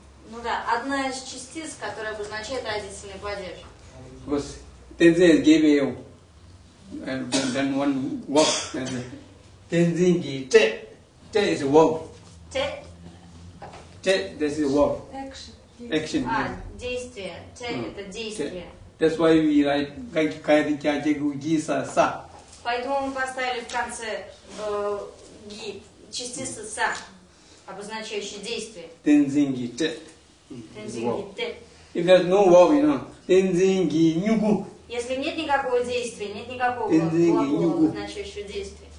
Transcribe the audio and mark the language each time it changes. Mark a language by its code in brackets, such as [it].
[ru] Ну да, одна из частиц, которая обозначает родительный падеж. [en] Because Tenzin has given you, and then one verb. Tenzin gi te. Te is a verb. [bo] Te. [en] Te, this is a verb. Action. Action. [ru] Действие. Te, это действие. [en] That's why we write Kairi Kyaje Guji Sa Sa. [ru] Поэтому мы поставили в конце ги, частица са, обозначающая действие. [bo] Тензинги те. Тензинги [en] те. If there's no vowel, you know. [bo] Тензинги нюгу. [ru] Если нет никакого действия, нет никакого глагола, обозначающего действие.